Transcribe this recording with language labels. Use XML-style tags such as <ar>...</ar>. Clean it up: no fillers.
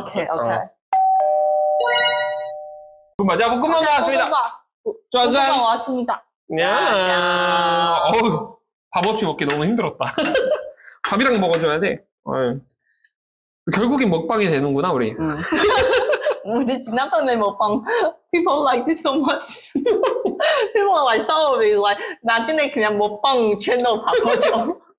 <ko>오케이, 오케이. 볶음밥. 자, 볶음밥 나왔습니다. 좋아, 좋아. 볶음밥 왔습니다. 야, 어우, 밥 없이 먹기 너무 힘들었다. 밥이랑 먹어줘야 돼. 결국엔 먹방이 되는구나, 우리. 우리 지난번에 먹방,</ko> <en>people like this so much. people like some of it.</en> <ko>Like, 나중에 그냥 먹방 채널 바꿔줘.</ko>